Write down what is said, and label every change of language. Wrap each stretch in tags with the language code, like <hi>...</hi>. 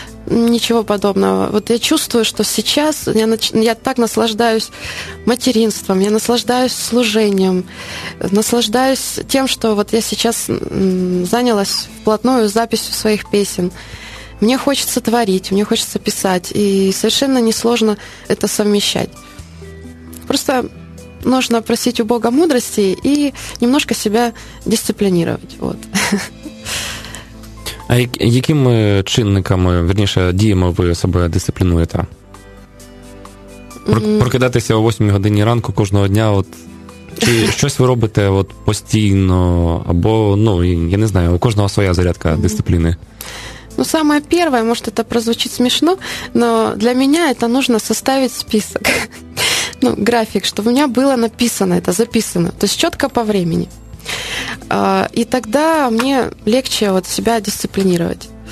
<ru>Ничего подобного. Вот я чувствую, что сейчас я так наслаждаюсь материнством, я наслаждаюсь служением, наслаждаюсь тем, что вот я сейчас занялась вплотную записью своих песен. Мне хочется творить, мне хочется писать, и совершенно несложно это совмещать. Просто нужно просить у Бога мудрости и немножко себя дисциплинировать. Вот.</ru> <uk>А якими чинниками, верніше, діями ви себе дисциплінуєте? Прокидатися о 8-й годині ранку кожного дня, от, чи щось ви робите от, постійно, або, ну, я не знаю, у кожного своя зарядка дисципліни?</uk> <ru>Ну, самое первое, может, это прозвучит смешно, но для меня это нужно составить список, ну, график, чтобы у меня было написано это, записано, то есть четко по времени. И тогда мне легче вот себя дисциплинировать.</ru>